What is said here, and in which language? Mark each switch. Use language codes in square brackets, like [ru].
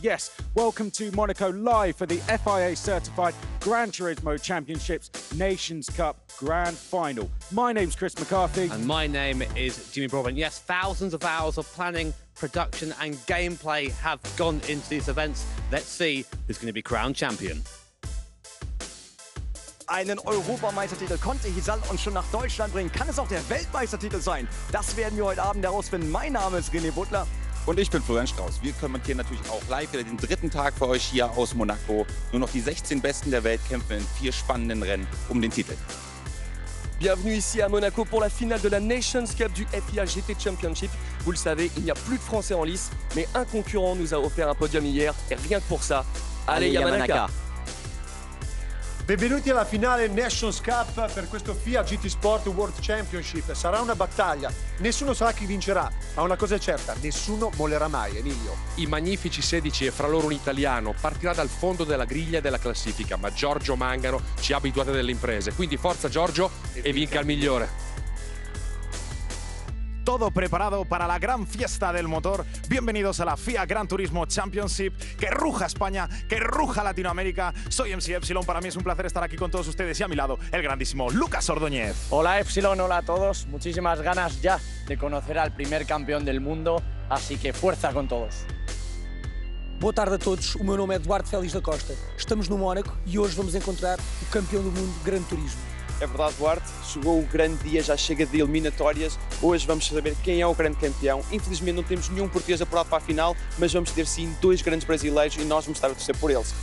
[en] Yes, welcome to Monaco live for the FIA-Certified Gran Turismo Championships Nations Cup Grand Final. My name's Chris McCarthy. And my name is Jimmy Broadbent. Yes, thousands of hours of planning, production and gameplay have gone into these events. Let's see who's going to be crowned champion. [de] Einen Europameistertitel konnte Hisal uns schon nach Deutschland bringen. Kann es auch der Weltmeistertitel sein? Das werden wir heute Abend herausfinden. Mein Name ist René Butler. Und ich bin Florian Strauß. Wir kommentieren natürlich auch live wieder den dritten Tag für euch hier aus Monaco. Nur noch die 16 Besten der Welt kämpfen in vier spannenden Rennen um den Titel. [fr] Bienvenue ici à Monaco pour la finale de la Nations Cup du FIA GT Championship. Vous le savez, il n'y a plus de Français en lice, mais un concurrent nous a offert un podium hier. Et rien que pour ça, allez, allez Yamanaka. [it] Benvenuti alla finale Nations Cup per questo FIA GT Sport World Championship. Sarà una battaglia. Nessuno sa chi vincerà, ma una cosa è certa, nessuno mollerà mai, Emilio. I magnifici 16 e fra loro un italiano partirà dal fondo della griglia della classifica, ma Giorgio Mangano ci ha abituato delle imprese. Quindi forza Giorgio e vinca il migliore. [es] Todo preparado para la gran fiesta del motor. Bienvenidos a la FIA Gran Turismo Championship. Que ruja España, que ruja Latinoamérica. Soy MC Epsilon. Para mí es un placer estar aquí con todos ustedes. Y a mi lado, el grandísimo Lucas Ordóñez. Hola Epsilon, hola a todos. Muchísimas ganas ya de conocer al primer campeón del mundo. Así que fuerza con todos. [pt] Boa tarde a todos. O meu nome é Eduardo Félix da Costa. Estamos no Mónaco e hoje vamos encontrar o campeão do mundo Gran Turismo. É verdade, Duarte, chegou o grande dia, já chega de eliminatórias. Hoje vamos saber quem é o grande campeão. Infelizmente não temos nenhum português apurado para a final, mas vamos ter sim dois grandes brasileiros e nós vamos estar a torcer por eles.